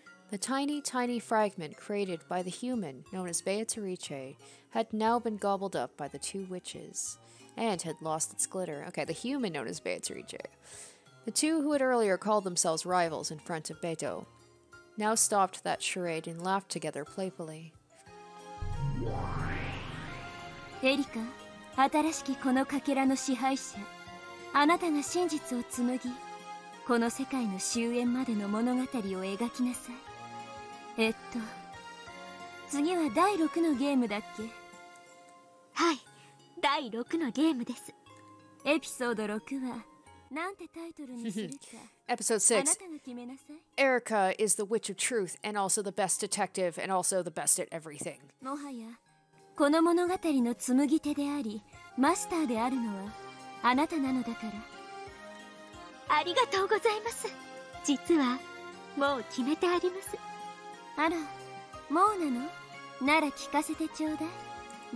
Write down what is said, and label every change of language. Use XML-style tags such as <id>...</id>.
<en>The tiny, tiny fragment created by the human known as Beatrice. Had now been gobbled up by the two witches, and had lost its glitter. Okay, the human known as Beatrice. The two who had earlier called themselves rivals in front of Beato now stopped that charade and laughed together playfully.</en> <ja>Erika, 新しきこのかけらの支配者、あなたが真実を紡ぎ、この世界の終焉までの物語を描きなさい。次は第6のゲームだっけ？はい、第6のゲームです。エピソード6はなんてタイトルにするか。</ja> <en>Episode 6. Erica is the witch of truth and also the best detective and also the best at everything.</en> <ja>もはやこの物語の紡ぎ手でありマスターであるのはあなたなのだから。ありがとうございます。実はもう決めてあります。あら、もうなの？なら聞かせてちょうだい。</ja>